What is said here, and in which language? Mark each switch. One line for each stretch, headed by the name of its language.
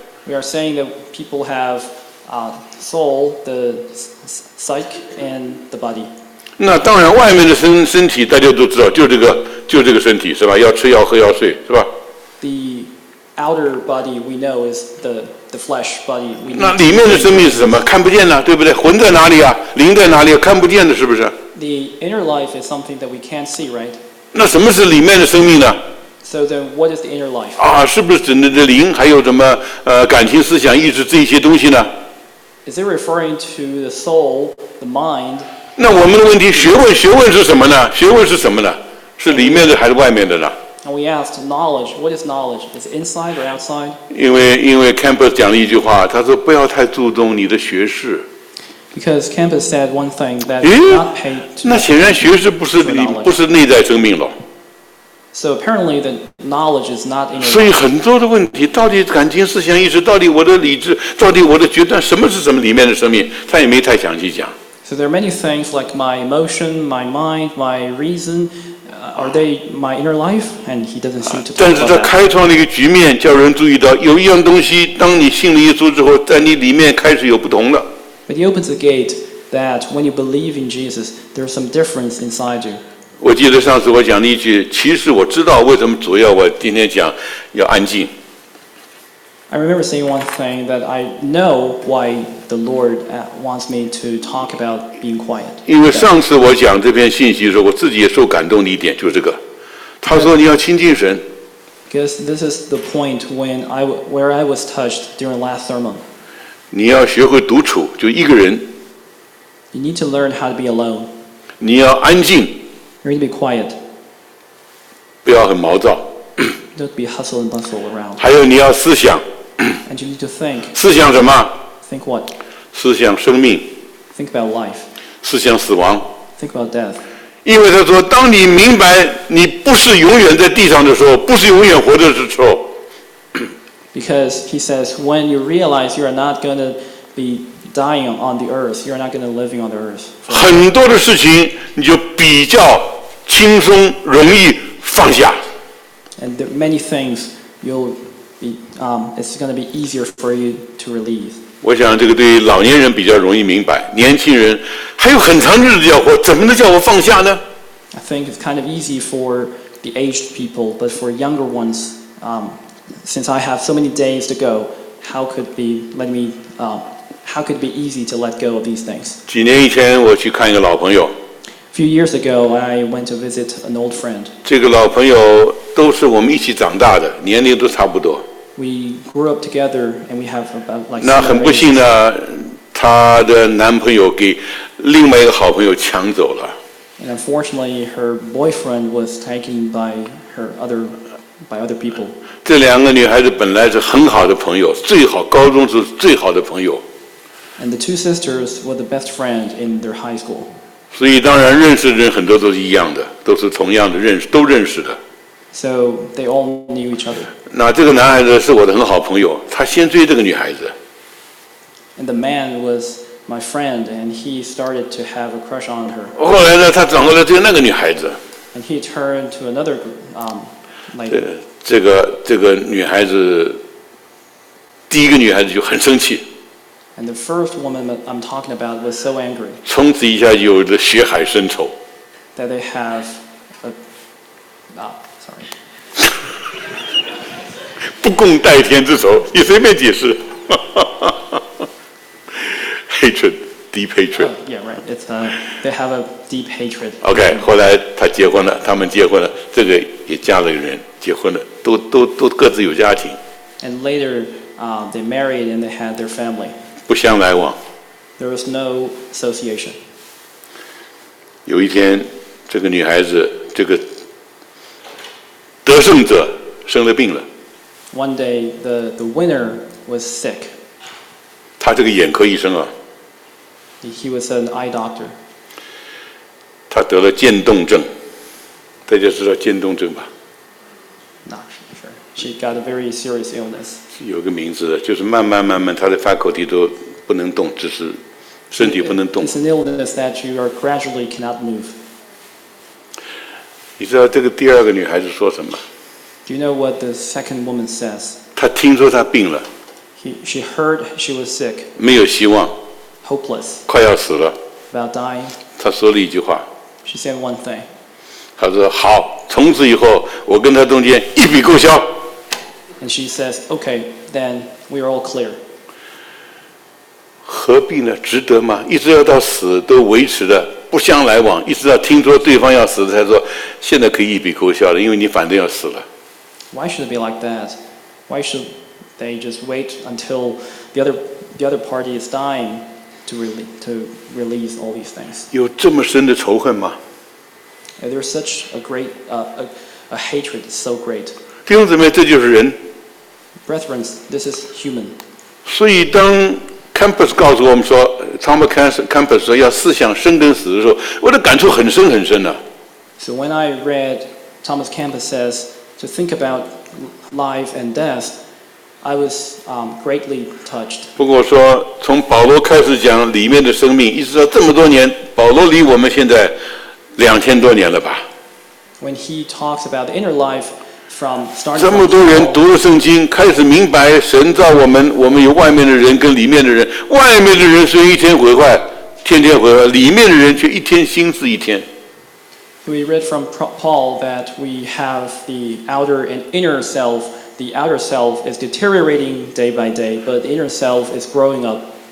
English: ？We are saying that people have soul, the psyche, and the body.
Chinese: 那当然，外面的身体大家都知道，就这个身体是吧？要吃要喝要睡是吧
English: ？The outer body we know is the flesh body.
Chinese: 那里面的生命是什么？看不见呢，对不对？魂在哪里啊？灵在哪里？看不见的，是不是？
English: The inner life is something that we can't see, right?
Chinese: 那什么是里面的生命呢
English: ？So then, what is the inner life?
Chinese: 啊，是不是指那的灵，还有什么感情、思想、意志这些东西呢
English: ？Is it referring to the soul, the mind?
Chinese: 那我们的问题，学问是什么呢？学问是什么呢？是里面的还是外面的呢
English: ？And we asked knowledge. What is knowledge? Is it inside or outside?
Chinese: 因为 Campbell 讲了一句话，他说不要太注重你的学识。
English: Because Campbell said one thing that is not paid to.
Chinese: 那显然学识不是内在生命了。
English: So apparently the knowledge is not in.
Chinese: 所以很多的问题，到底感情、思想、意识，到底我的理智，到底我的决断，什么是什么里面的生命，他也没太详细讲。
English: So there are many things like my emotion, my mind, my reason, are they my inner life? And he doesn't seem to.
Chinese: 但是他开创了一个局面，叫人注意到有一样东西，当你信了耶稣之后，在你里面开始有不同了。
English: But he opens the gate that when you believe in Jesus, there's some difference inside you.
Chinese: 我记得上次我讲了一句，其实我知道为什么主要我今天讲要安静。
English: I remember saying one thing that I know why the Lord wants me to talk about being quiet.
Chinese: 因为上次我讲这篇信息的时候，我自己也受感动的一点就是这个。他说你要亲近神。
English: Because this is the point where I was touched during last sermon.
Chinese: 你要学会独处，就一个人。
English: You need to learn how to be alone.
Chinese: 你要安静。
English: You need to be quiet.
Chinese: 不要很毛躁。
English: Don't be hustle and bustle around.
Chinese: 还有你要思想。
English: And you need to think.
Chinese: 思想什么
English: ？Think what?
Chinese: 思想生命。
English: Think about life.
Chinese: 思想死亡。
English: Think about death.
Chinese: 因为他说，当你明白你不是永远在地上的时候，不是永远活着的时候。
English: Because he says, when you realize you are not going to be dying on the earth, you are not going to be living on the earth.
Chinese: 很多的事情你就比较轻松容易放下。
English: And there are many things you'll be, it's going to be easier for you to release.
Chinese: 我想这个对老年人比较容易明白，年轻人还有很长日子要活，怎么能叫我放下呢
English: ？I think it's kind of easy for the aged people, but for younger ones, Since I have so many days to go, how could it be easy to let go of these things?
Chinese: 几年以前我去看一个老朋友。
English: A few years ago, I went to visit an old friend.
Chinese: 这个老朋友都是我们一起长大的，年龄都差不多。
English: We grew up together, and we have about like.
Chinese: 那很不幸呢，她的男朋友给另外一个好朋友抢走了。
English: And unfortunately, her boyfriend was taken by her other. By other people.
Chinese: 这两个女孩子本来是很好的朋友，最好高中是最好的朋友。
English: And the two sisters were the best friend in their high school.
Chinese: 所以当然认识的人很多都是一样的，都是同样的认识，都认识的。
English: So they all knew each other.
Chinese: 那这个男孩子是我的很好朋友，他先追这个女孩子。
English: And the man was my friend, and he started to have a crush on her.
Chinese: 后来呢，他转过来追那个女孩子。
English: And he turned to another, lady.
Chinese: 这个女孩子，第一个女孩子就很生气。
English: And the first woman I'm talking about was so angry.
Chinese: 从此一下有了血海深仇。
English: That they have, sorry.
Chinese: 不共戴天之仇，你随便解释。
English: Hatred, deep hatred. Yeah, right. It's they have a deep hatred.
Chinese: Okay, 后来他结婚了，他们结婚了，这个也嫁了人，结婚了，都各自有家庭。
English: And later, they married and they had their family.
Chinese: 不相来往。
English: There was no association.
Chinese: 有一天，这个女孩子，这个得胜者生了病了。
English: One day, the winner was sick.
Chinese: 他这个眼科医生啊。
English: He was an eye doctor.
Chinese: 他得了渐冻症，大家知道渐冻症吧
English: ？Not sure. She got a very serious illness.
Chinese: 有个名字，就是慢慢，他的 faculty 都不能动，只是身体不能动。
English: It's an illness that you are gradually cannot move.
Chinese: 你知道这个第二个女孩子说什么
English: ？Do you know what the second woman says?
Chinese: 她听说她病了。
English: She heard she was sick.
Chinese: 没有希望。
English: Hopeless,
Chinese: 快要死了。
English: About dying,
Chinese: 他说了一句话。
English: She said one thing.
Chinese: 他说好，从此以后我跟他中间一笔勾销。
English: And she says, okay, then we are all clear.
Chinese: 何必呢？值得吗？一直要到死都维持着不相来往，一直到听说对方要死才说，现在可以一笔勾销了，因为你反正要死了。
English: Why should it be like that? Why should they just wait until the other party is dying? To release all these things.
Chinese: 有这么深的仇恨吗？
English: There's such a great a hatred so great.
Chinese: 弟兄姊妹，这就是人。
English: Brethren, this is human.
Chinese: 所以当 Campus 告诉我们说 ，Thomas Campus 说要思想生跟死的时候，我的感触很深很深呢、啊。
English: So when I read Thomas Campus says to think about life and death. I was greatly touched.
Chinese: 不过说，从保罗开始讲里面的生命，一直到这么多年，保罗离我们现在2000多年了吧
English: ？When he talks about the inner life from starting,
Chinese: 这么多人读了圣经，开始明白神造我们，我们有外面的人跟里面的人，外面的人虽然一天毁坏，天天毁坏，里面的人却一天新似一天。
English: We read from Paul that we have the outer and inner self. The outer self is deteriorating day by day, but the inner self is growing up.